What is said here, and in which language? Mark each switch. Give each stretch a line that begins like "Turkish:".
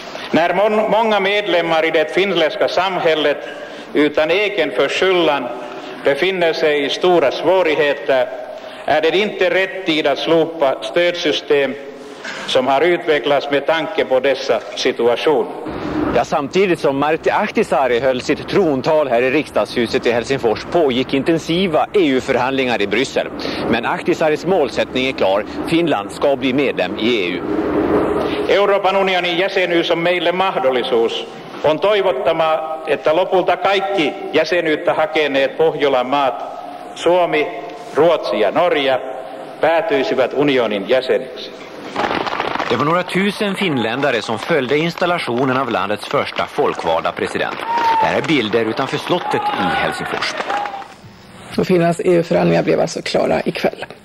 Swedish: När många medlemmar i det finländska samhället utan egen förskyllan befinner sig i stora svårigheter är det inte rätt tid att slopa stödsystem som har utvecklats med tanke på dessa situation. Ja, samtidigt som Martti Ahtisaari höll sitt trontal här i riksdagshuset i Helsingfors pågick intensiva EU-förhandlingar i Bryssel. Men Ahtisaaris målsättning är klar. Finland ska bli medlem i EU.
Finnish: Euroopan unionin jäsenyys on meille mahdollisuus. On toivottava, että lopulta kaikki jäsenyyttä hakeneet Pohjolan maat, Suomi, Ruotsi ja Norja, päätyisivät unionin jäseniksi.
Swedish: Det var några tusen finländare som följde installationen av landets första folkvalda president. Det här är bilder utanför slottet i Helsingfors. Och Finlands EU-förhandlingar blev alltså klara ikväll.